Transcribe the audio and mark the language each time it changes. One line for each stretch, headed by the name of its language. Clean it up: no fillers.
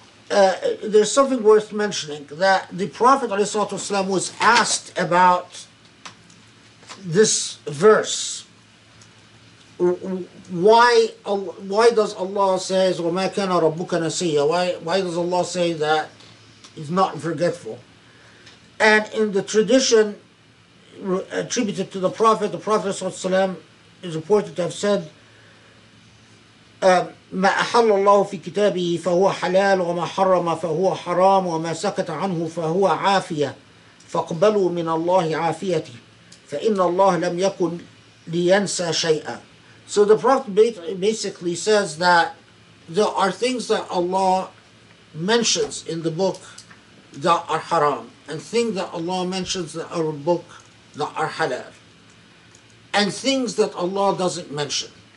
English: There's something worth mentioning, that the Prophet ﷺ was asked about this verse. Why does Allah say,
Arabic: وَمَا كَانَ رَبُّكَ نَسِيًّا?
English: Why does Allah say that he's not forgetful? And in the tradition attributed to the Prophet ﷺ is reported to have said,
Arabic: "ما أحل الله في كتابه فهو حلال وما حرم فهو حرام وما سكت عنه فهو عافية فاقبلوا من الله عافيتي فإن الله لم يكن لينسى شيئا."
English: So the Prophet basically says that there are things that Allah mentions in the book that are haram, and things that Allah mentions in our book that are halal, and things that Allah doesn't mention.